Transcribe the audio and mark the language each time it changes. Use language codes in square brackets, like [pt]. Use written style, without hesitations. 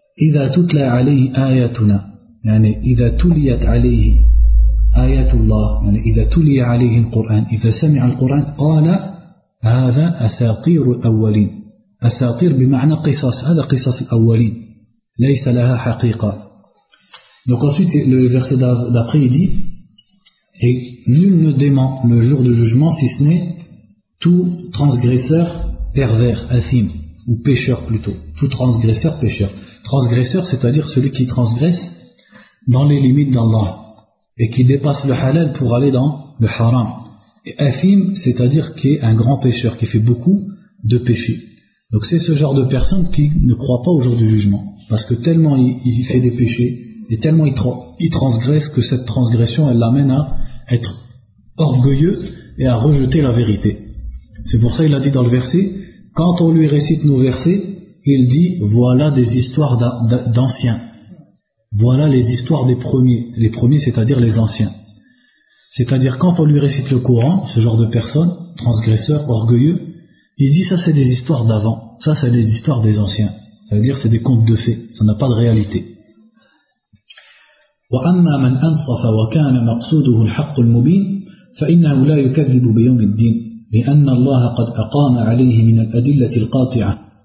[ar] إذا تتلى عليه آياتنا، يعني إذا تليت عليه آيات الله، يعني إذا تلي عليه القرآن، إذا سمع القرآن قال هذا أساطير الأولين. أساطير بمعنى قصص، هذا قصص الأولين ليس لها حقيقة. [fr] Donc ensuite le verset d'après il dit et nul ne dément le jour du jugement si ce n'est tout transgresseur pervers, athim, ou pécheur plutôt, tout transgresseur pécheur. Transgresseur c'est-à-dire celui qui transgresse dans les limites d'Allah et qui dépasse le halal pour aller dans le haram. Et athim c'est-à-dire qui est un grand pécheur, qui fait beaucoup de péchés. Donc c'est ce genre de personne qui ne croit pas au jour du jugement parce que tellement il fait des péchés et tellement il transgresse que cette transgression elle l'amène à être orgueilleux et à rejeter la vérité. C'est pour ça qu'il a dit dans le verset, quand on lui récite nos versets, il dit voilà des histoires d'anciens, voilà les histoires des premiers. Les premiers c'est-à-dire les anciens, c'est-à-dire quand on lui récite le Coran, ce genre de personne transgresseur, orgueilleux, il dit ça c'est des histoires d'avant, ça c'est des histoires des anciens, c'est-à-dire c'est des contes de fées, ça n'a pas de réalité. [ar] وأما من أنصف وكان مقصوده الحق المبين فإنه لا يكذب بيوم الدين لأن الله قد أقام عليه من الأدلة القاطعة